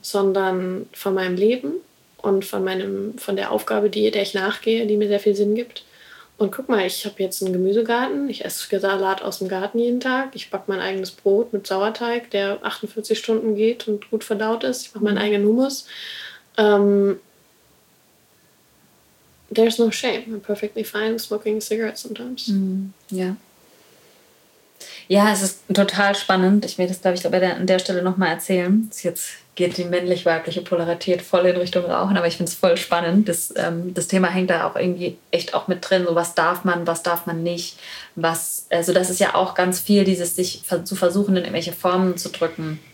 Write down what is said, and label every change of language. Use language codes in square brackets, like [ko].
[de] sondern von meinem Leben und von der Aufgabe, der ich nachgehe, die mir sehr viel Sinn gibt. Und guck mal, ich habe jetzt einen Gemüsegarten, ich esse Salat aus dem Garten jeden Tag, ich backe mein eigenes Brot mit Sauerteig, der 48 Stunden geht und gut verdaut ist, ich mache meinen eigenen Hummus. [en] There's no shame, I'm perfectly fine smoking a cigarette sometimes. Mm, yeah. [de] Ja, es ist total spannend, ich will das glaube ich an der Stelle nochmal erzählen, jetzt geht die männlich-weibliche Polarität voll in Richtung Rauchen, aber ich finde es voll spannend, das Thema hängt da auch irgendwie echt auch mit drin, so was darf man nicht, was, also das ist ja auch ganz viel, dieses sich zu versuchen in irgendwelche Formen zu drücken.